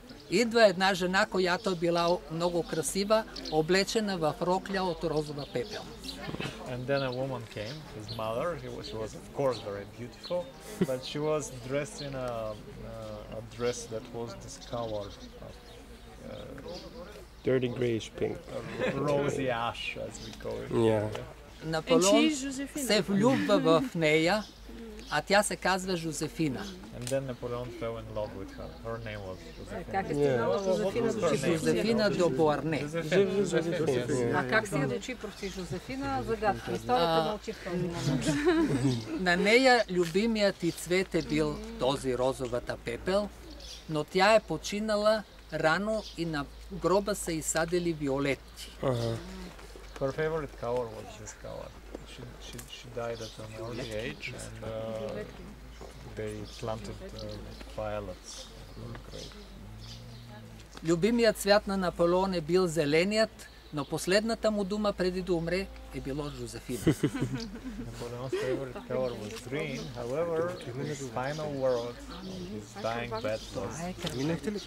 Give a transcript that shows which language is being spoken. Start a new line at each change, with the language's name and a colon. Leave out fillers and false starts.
Bulgarian: Идва една жена, която била много красива, облечена в рокля от розова пепел.
English: And then a woman came, his mother. She was of course very beautiful, but she was dressed in a dress that was this color of dirty grayish pink. Rosy ash, as we call it. Yeah.
Bulgarian: Наполеон се влюбва в нея, а тя се казва Жозефина.
English: And then Napoleon fell in love with her. Her name was
Bulgarian: Жозефина. Как е стигнала Жозефина до Боарне? А как си я дочи прости Жозефина? Загадка. Историята мълчи в този момент. На нея любимият и цвет е бил този розовата пепел, но тя е починала рано и на гроба са изсадили виолетти.
English: Her favorite color was this color. She died at an early age, and they planted violets.
Bulgarian: Любимият цвят на Наполеон е бил зеленият, но последната му дума преди да умре е било Жозефина.
English: Наполеон's favorite color was green. However, in his final words, his dying bed was green.